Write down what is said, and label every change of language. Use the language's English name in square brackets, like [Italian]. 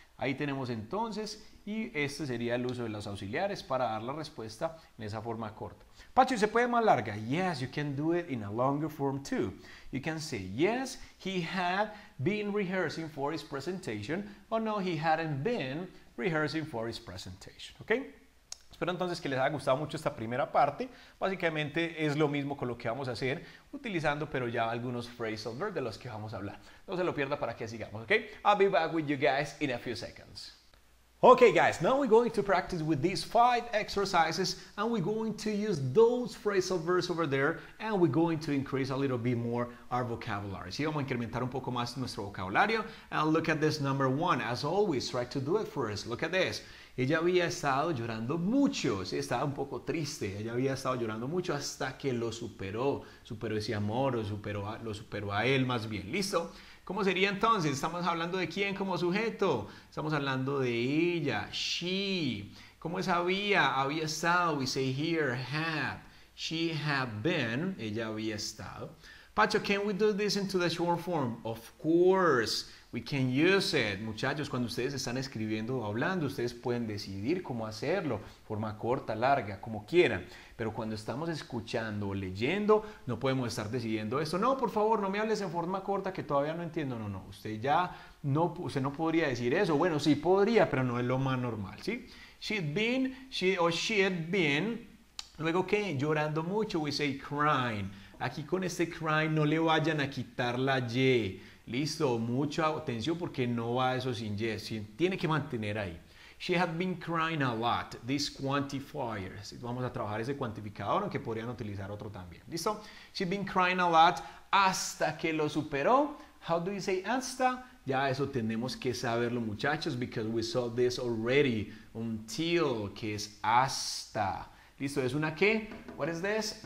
[Spanish] Ahí tenemos entonces, y este sería el uso de los auxiliares para dar la respuesta en esa forma corta. Pacho, ¿se puede más larga? [English] Yes, you can do it in a longer form too. You can say, yes, he had been rehearsing for his presentation, or no, he hadn't been rehearsing for his presentation, ¿ok? [Spanish] Espero entonces que les haya gustado mucho esta primera parte. Básicamente es lo mismo con lo que vamos a hacer, utilizando pero ya algunos phrasal verbs de los que vamos a hablar. No se lo pierda para que sigamos, ¿ok? [English] I'll be back with you guys in a few seconds. Okay, guys, now we're going to practice with these five exercises and we're going to use those phrasal verbs over there and we're going to increase a little bit more our vocabulary. [Spanish] Sí, vamos a incrementar un poco más nuestro vocabulario. [English] And look at this number one. As always, try to do it first. Look at this. [Spanish] Ella había estado llorando mucho. Sí, estaba un poco triste. Ella había estado llorando mucho hasta que lo superó. Superó ese amor o superó a, lo superó a él más bien. ¿Listo? ¿Cómo sería entonces? ¿Estamos hablando de quién como sujeto? Estamos hablando de ella. She. ¿Cómo es había? Había estado. [English] We say here, have. She had been. [Spanish] Ella había estado. [English] Pacho, can we do this into the short form? Of course. We can use it. [Spanish] Muchachos, cuando ustedes están escribiendo o hablando, ustedes pueden decidir cómo hacerlo. Forma corta, larga, como quieran. Pero cuando estamos escuchando o leyendo, no podemos estar decidiendo esto. No, por favor, no me hables en forma corta que todavía no entiendo. No, no, usted ya no, usted no podría decir eso. Bueno, sí podría, pero no es lo más normal, ¿sí? [English] She'd been, she had been, [Spanish] luego ¿qué? Llorando mucho, [English] we say crying. [Spanish] Aquí con este crying no le vayan a quitar la Y. Listo, mucha atención porque no va eso sin Y. Tiene que mantener ahí. [English] She had been crying a lot, this quantifier. [Spanish] Vamos a trabajar ese cuantificador, aunque podrían utilizar otro también. [English] ¿Listo? She'd been crying a lot [Spanish] hasta que lo superó. [English] How do you say hasta? [Spanish] Ya eso tenemos que saberlo, muchachos, [English] because we saw this already. [Spanish] Until, que es hasta. ¿Listo? ¿Es una qué? [English] What is this?